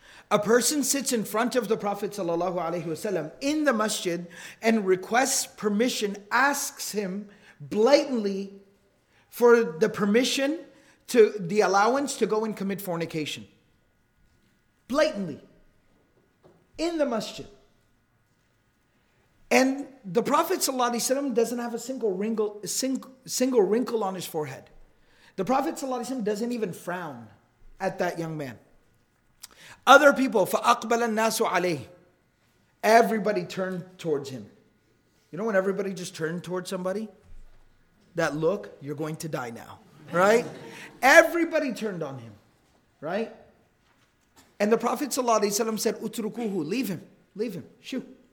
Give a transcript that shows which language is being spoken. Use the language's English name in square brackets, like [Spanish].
[English] a person sits in front of the Prophet ﷺ in the masjid and requests permission, asks him blatantly for the permission to the allowance to go and commit fornication. Blatantly. In the masjid. And the Prophet ﷺ doesn't have a single wrinkle on his forehead. The Prophet ﷺ doesn't even frown at that young man. Other people, [Arabic] فَأَقْبَلَ النَّاسُ عَلَيْهِ. [English] Everybody turned towards him. You know when everybody just turned towards somebody? That look, you're going to die now, right? Everybody turned on him, right? And the Prophet ﷺ said, [Arabic] اُتْرُكُوهُ, [English] leave him, leave him, shoo.